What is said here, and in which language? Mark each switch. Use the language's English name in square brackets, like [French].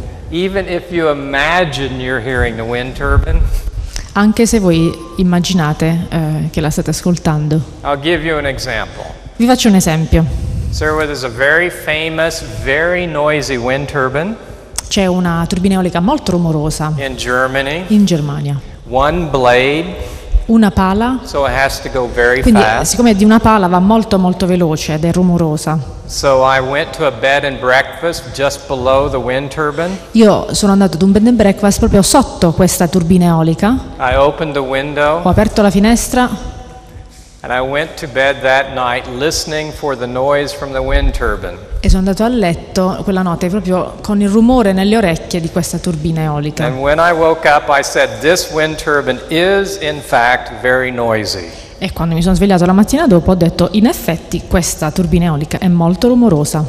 [English] Even if you imagine you're hearing the wind turbine, [Italian] anche se voi immaginate che la state ascoltando. [English] I'll give you an example. [Italian] Vi faccio un esempio. [English] There is a very famous, very noisy wind turbine. [Italian] C'è una turbina eolica molto rumorosa [English] in Germany. [Italian] In Germania. [English] One blade. [Italian] Una pala. [English] So it has to go very [Italian] quindi, [English] fast. [Italian] Siccome è di una pala, va molto molto veloce ed è rumorosa. [English] So I went to a bed and breakfast just below the wind turbine. [Italian] Io sono andato ad un bed and breakfast proprio sotto questa turbina eolica. [English] I opened the window. [Italian] Ho aperto la finestra. [English] And I went to bed that night listening for the noise from the wind turbine. [Italian] E sono andato a letto quella notte proprio con il rumore nelle orecchie di questa turbina eolica. [English] And when I woke up I said this wind turbine is in fact very noisy. [Italian] E quando mi sono svegliato la mattina dopo ho detto in effetti questa turbina eolica è molto rumorosa.